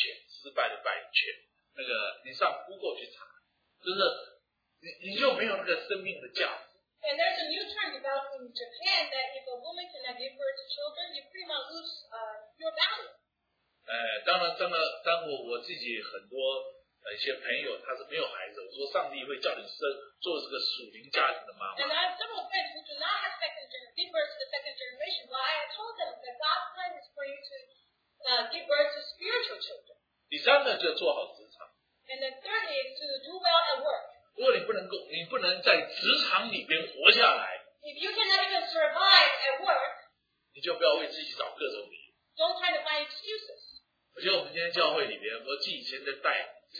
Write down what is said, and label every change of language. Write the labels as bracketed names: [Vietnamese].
[Chinese] 明白一件事，他说，如果女人不能生孩子，他们叫败犬，失败的败犬。那个，你上 Google 去查，就是你就没有那个生命的价值。 [English] And there's a new term developed in Japan that if a woman cannot give birth to children, you pretty much lose your value. [Chinese] 当然，我自己很多一些朋友他是没有孩子，我说上帝会叫你生，做这个属灵家庭的妈妈。 [English] And I have several friends who do not have second generation, give birth to the second generation, but I told them that God's plan is for you to give birth to spiritual children. [Chinese] 第三个就是做好职场。 [English] And the third is to do well at work. [Chinese] 如果你不能在职场里边活下来， [English] if you cannot even survive at work, [Chinese] 你就不要为自己找各种理由。 [English] Don't try to find excuses. [Chinese] 我觉得我们今天教会里边，我自己以前在带。